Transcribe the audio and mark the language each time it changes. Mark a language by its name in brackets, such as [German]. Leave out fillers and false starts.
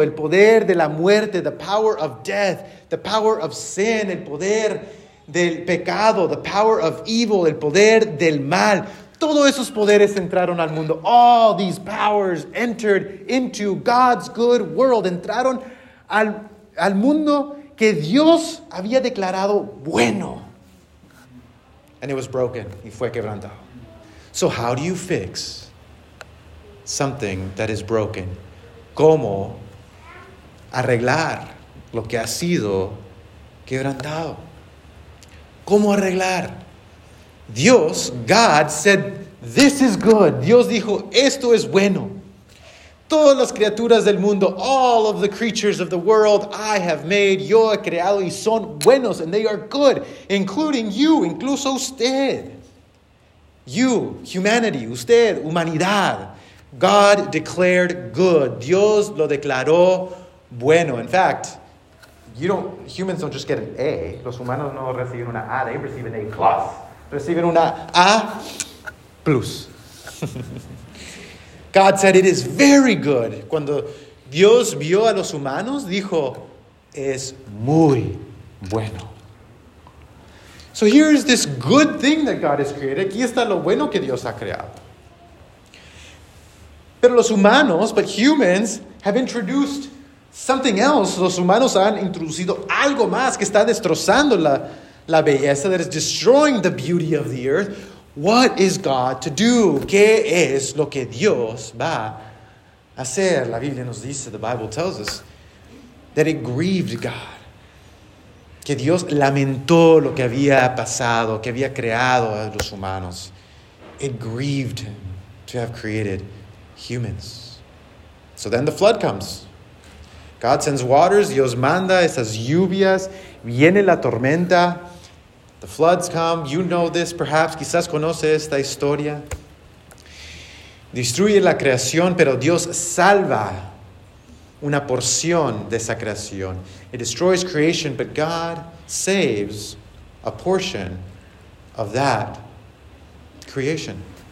[Spanish] El poder de la muerte, [English] the power of death, the power of sin, [Spanish] el poder del pecado, [English] the power of evil, [Spanish] el poder del mal. Todos esos poderes entraron al mundo. [English] All these powers entered into God's good world. [Spanish] Entraron al mundo que Dios había declarado bueno. [English] And it was broken. [Spanish] Y fue quebrantado. [English] So how do you fix something that is broken? [Spanish] ¿Cómo arreglar lo que ha sido quebrantado? ¿Cómo arreglar? [English] Dios, God, said, this is good. [Spanish] Dios dijo, esto es bueno. Todas las criaturas del mundo, [English] all of the creatures of the world I have made, [Spanish] yo he creado, y son buenos, [English] and they are good, including you, [Spanish] incluso usted. [English] You, humanity, [Spanish] usted, humanidad. [English] God declared good. [Spanish] Dios lo declaró bueno. [English] In fact, humans don't just get an A. [Spanish] Los humanos no reciben una A, [English] they receive an A plus. [Spanish] Reciben una A plus. [English] God said it is very good. [Spanish] Cuando Dios vio a los humanos, dijo, es muy bueno. [English] So here is this good thing that God has created. [Spanish] Aquí está lo bueno que Dios ha creado. Pero los humanos, [English] but humans have introduced something else. [Spanish] Los humanos han introducido algo más que está destrozando la belleza, [English] that is destroying the beauty of the earth. What is God to do? [Spanish] ¿Qué es lo que Dios va a hacer? La Biblia nos dice, [English] the Bible tells us, that it grieved God. [Spanish] Que Dios lamentó lo que había pasado, que había creado a los humanos. [English] It grieved him to have created humans. So then the flood comes. God sends waters. [Spanish] Dios manda esas lluvias. Viene la tormenta. [English] The floods come. You know this, perhaps. [Spanish] Quizás conoce esta historia. Destruye la creación, pero Dios salva una porción de esa creación. [English] It destroys creation, but God saves a portion of that creation.